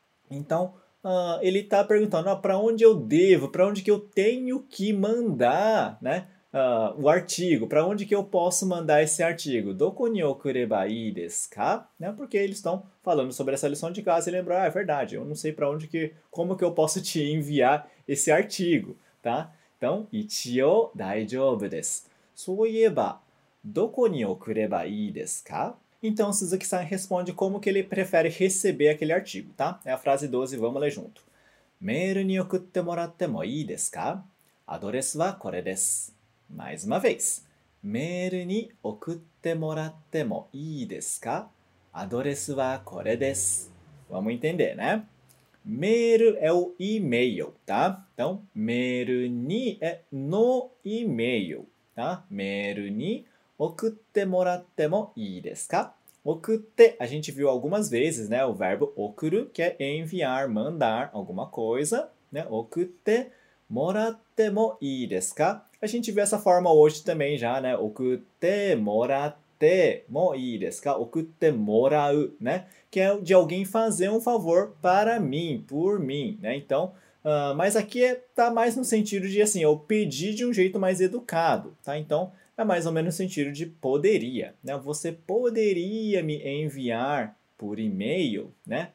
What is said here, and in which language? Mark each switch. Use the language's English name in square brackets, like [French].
[Portuguese] Então, ele está perguntando, ah, para onde eu devo, para onde que eu tenho que mandar, né, o artigo, para onde que eu posso mandar esse artigo? [Japanese] Doko ni okureba ii desu ka? [Portuguese] Né? Porque eles estão falando sobre essa lição de casa e lembrou, ah, é verdade, eu não sei para onde que, como que eu posso te enviar esse artigo, tá? Então, [Japanese] ichio daijoubu desu. Soueba, どこに送ればいいですか? [Portuguese] Então, Suzuki-san responde como que ele prefere receber aquele artigo, tá? É a frase 12, vamos ler junto. [Japanese] メールに送ってもらってもいいですか? アドレスはこれです。 [Portuguese] Mais uma vez. [Japanese] メールに送ってもらってもいいですか? アドレスはこれです。 [Portuguese] Vamos entender, né? メールé o e-mail, tá? Então, メールにえ no e-mail, tá? [Japanese] メールに送ってもらってもいいですか? [Portuguese] 送って, a gente viu algumas vezes, né? O verbo 送る, que é enviar, mandar alguma coisa, né? [Japanese] 送ってもらってもいいですか? [Portuguese] A gente viu essa forma hoje também já, né? [Japanese] 送ってもらってもいいですか? 送ってもらう, né? [Portuguese] Que é de alguém fazer um favor para mim, por mim, né? Então, mas aqui tá mais no sentido de, assim, eu pedir de um jeito mais educado, tá? Então, é mais ou menos no sentido de poderia, né? Você poderia me enviar por e-mail, né?